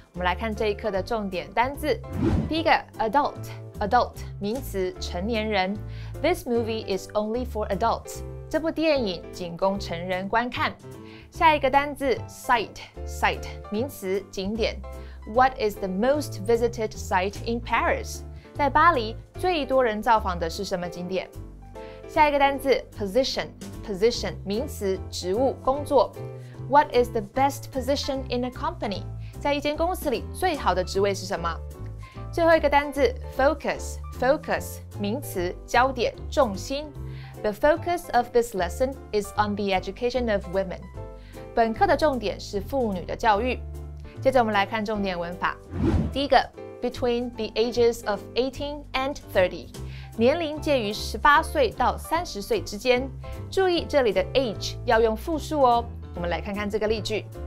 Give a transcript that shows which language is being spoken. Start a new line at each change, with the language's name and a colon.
Chinese: 我们来看这一课的重点单字。第一个 ，adult， adult， 名词，成年人。
English: This movie is only for adults.
Chinese: 这部电影仅供成人观看。下一个单字 ，site， site， 名词，景点。
English: What is the most visited site in Paris?
Chinese: 在巴黎最多人造访的是什么景点？下一个单字 ，position， position， 名词，职务，工作。
English: What is the best position in a company?
Chinese: 在一间公司里最好的职位是什么？最后一个单字 focus, focus, 名词，焦点，重心。
English: The focus of this lesson is on the education of women.
Chinese: 本课的重点是妇女的教育。接着我们来看重点文法。第一个
English: between the ages of 18 and 30,
Chinese: 年龄介于18岁到30岁之间。注意这里的 age 要用复数哦。我们来看看这个例句。